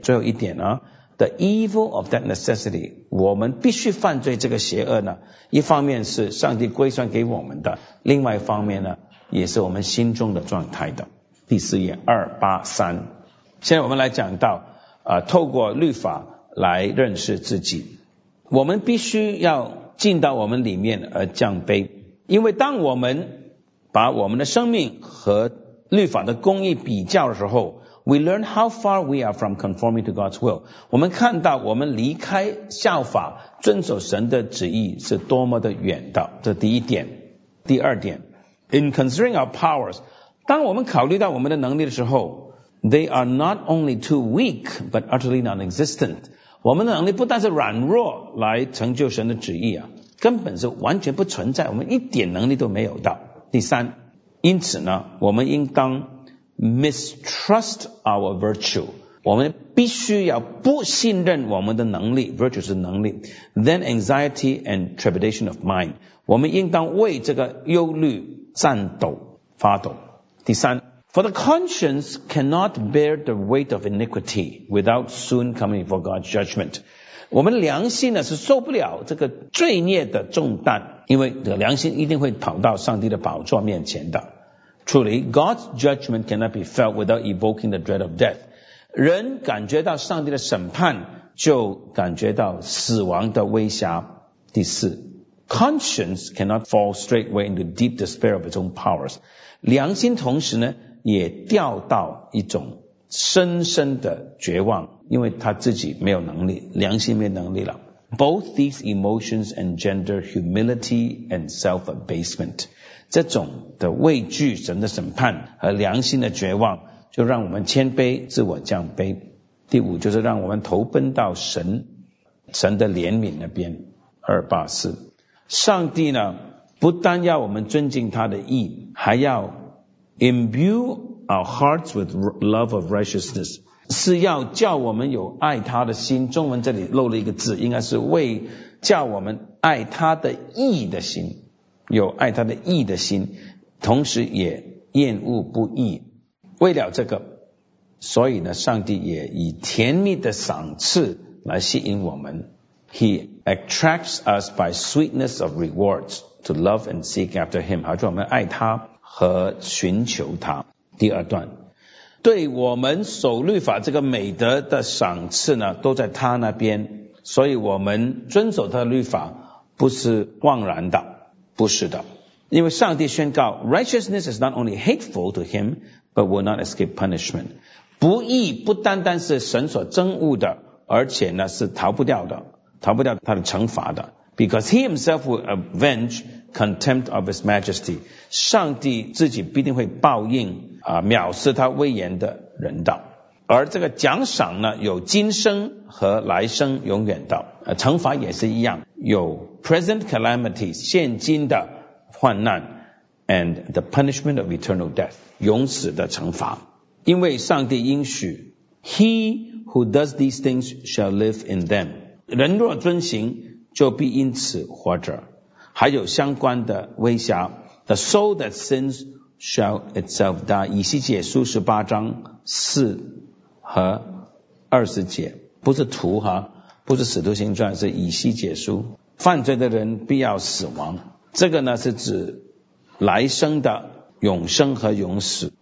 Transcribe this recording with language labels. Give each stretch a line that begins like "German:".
Chinese: 最后一点呢，
English: the evil of that necessity，
Chinese: 我们必须犯罪这个邪恶呢，一方面是上帝归算给我们的，另外一方面呢也是我们心中的状态的。第四页，283，现在我们来讲到透过律法来认识自己，我们必须要进到我们里面而降卑，因为当我们把我们的生命和律法的公义比较的时候，
English: We learn how far we are from conforming to God's will.
Chinese: 我们看到我们离开效法遵守神的旨意是多么的远的。这第一点。
English: 第二点， In considering our powers,
Chinese: 当我们考虑到我们的能力的时候，
English: They are not only too weak, but utterly non-existent.
Chinese: 我们的能力不但是软弱来成就神的旨意啊，根本是完全不存在，我们一点能力都没有的。第三，因此呢，我们应当
English: mistrust our virtue，
Chinese: 我们必须要不信任我们的能力， virtue 是能力。
English: Then anxiety and trepidation of mind，
Chinese: 我们应当为这个忧虑颤抖发抖。第三，
English: For the conscience cannot bear the weight of iniquity without soon coming before God's judgment，
Chinese: 我们良心呢是受不了这个罪孽的重担，因为这个良心一定会跑到上帝的宝座面前的。
English: Truly, God's judgment cannot be felt without evoking the dread of death.
Chinese: 人感觉到上帝的审判，就感觉到死亡的威胁。
English: 第四， Conscience cannot fall straightway into deep despair of its own powers.
Chinese: 良心同时呢，也掉到一种深深的绝望，因为他自己没有能力，良心没有能力了。
English: Both these emotions engender humility and self-abasement.
Chinese: 这种的畏惧神的审判和良心的绝望，就让我们谦卑，自我降卑。第五，就是让我们投奔到神的怜悯那边。二八四，上帝呢，不但要我们尊敬他的义，还要
English: imbue our hearts with love of righteousness.
Chinese: 是要叫我们有爱他的心，中文这里漏了一个字，应该是为叫我们爱他的义的心，有爱他的义的心，同时也厌恶不义。为了这个，所以呢，上帝也以甜蜜的赏赐来吸引我们。
English: He attracts us by sweetness of rewards to love and seek after him，
Chinese: 好像我们爱他和寻求他。第二段，对我们守律法这个美德的赏赐呢，都在他那边，所以我们遵守他的律法不是枉然的，不是的。因为上帝宣告
English: Righteousness is not only hateful to him but will not escape punishment，
Chinese: 不义不单单是神所憎恶的，而且呢是逃不掉的，逃不掉他的惩罚的。
English: Because he himself will avenge contempt of his majesty，
Chinese: 上帝自己必定会报应啊，藐视他威严的人道。而这个奖赏呢，有今生和来生永远的，惩罚也是一样，有
English: present calamity
Chinese: 现今的患难
English: and the punishment of eternal death
Chinese: 永死的惩罚。因为上帝应许
English: He who does these things shall live in them，
Chinese: 人若遵行就必因此活着。还有相关的威胁，
English: The soul that sins shall itself die，
Chinese: 以西结书十八章四和二十节，不是图哈，不是使徒行传，是以西结书。犯罪的人必要死亡，这个呢是指来生的永生和永死。